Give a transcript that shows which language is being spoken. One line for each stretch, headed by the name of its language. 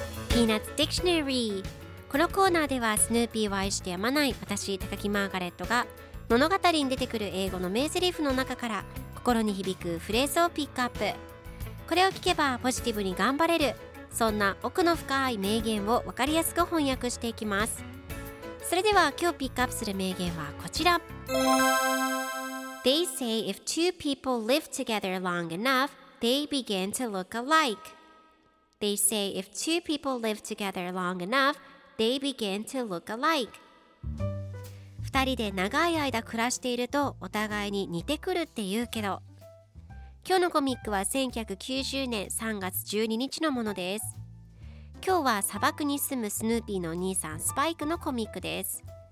Japanese: ピーナッツ・ディクショナリー。このコーナーではスヌーピーを愛してやまない私、高木マーガレットが物語に出てくる英語の名台詞の中から心に響くフレーズをピックアップ。これを聞けばポジティブに頑張れる、そんな奥の深い名言を分かりやすく翻訳していきます。それでは今日ピックアップする名言はこちら。
English: They say if two people live together long enough, they begin to look alike. They say if two people live together long enough, they begin to look alike.
Japanese: 2人で長い間暮らしているとお互いに似てくるって言うけど。今日のコミックは1990年3月12日のものです。今日は砂漠に住むスヌーピーのお兄さんスパイクのコミックです。